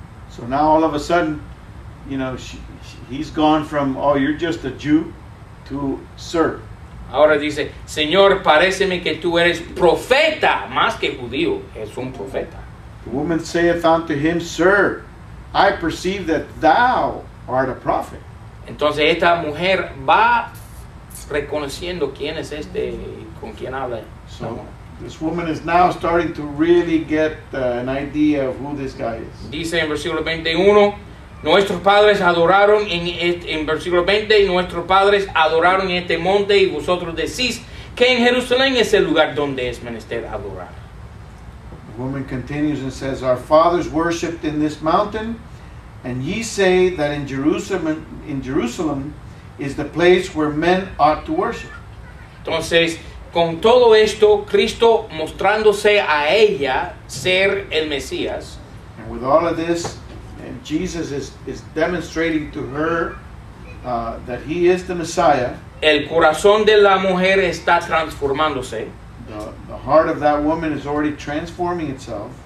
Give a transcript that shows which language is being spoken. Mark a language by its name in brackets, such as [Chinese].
[English] So now all of a sudden, you know, he's gone from, oh, you're just a Jew, to Sir. [Spanish] Ahora dice, Señor, paréceme que tú eres profeta, más que judío, es un profeta. [English] The woman saith unto him, Sir, I perceive that thou art a prophet. [Spanish] Entonces esta mujer va reconociendo quién es este con quien habla. [English] So this woman is now starting to really get an idea of who this guy is. [Spanish] Dice en versículo 21, nuestros padres adoraron en versículo 20, nuestros padres adoraron en este monte y vosotros decís que en Jerusalén es el lugar donde es menester adorar. [English] The woman continues and says, our fathers worshipped in this mountain, and ye say that in Jerusalem is the place where men ought to worship. [Spanish] Entonces, con todo esto, Cristo mostrándose a ella ser el Mesías. [English] And with all of this, and Jesus is demonstrating to her that he is the Messiah. [Spanish] El corazón de la mujer está transformándose. [English] The heart of that woman is already transforming itself.